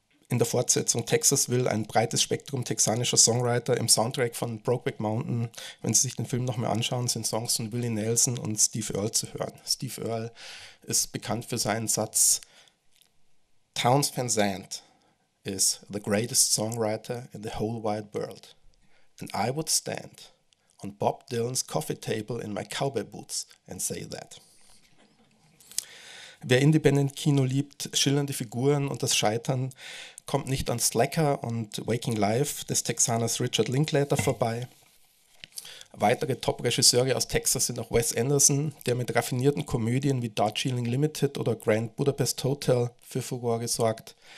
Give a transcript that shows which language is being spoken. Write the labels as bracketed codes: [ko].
[de] In der Fortsetzung Texas Will ein breites Spektrum texanischer Songwriter im Soundtrack von Brokeback Mountain. Wenn Sie sich den Film nochmal anschauen, sind Songs von Willie Nelson und Steve Earle zu hören. Steve Earle ist bekannt für seinen Satz: [en] Townes Van Zandt is the greatest songwriter in the whole wide world. And I would stand on Bob Dylan's coffee table in my cowboy boots and say that. [de] Wer Independent-Kino liebt, schillernde Figuren und das Scheitern, kommt nicht an Slacker und Waking Life des Texaners Richard Linklater vorbei. Weitere Top-Regisseure aus Texas sind auch Wes Anderson, der mit raffinierten Komödien wie Darjeeling Limited oder Grand Budapest Hotel für Furore sorgt.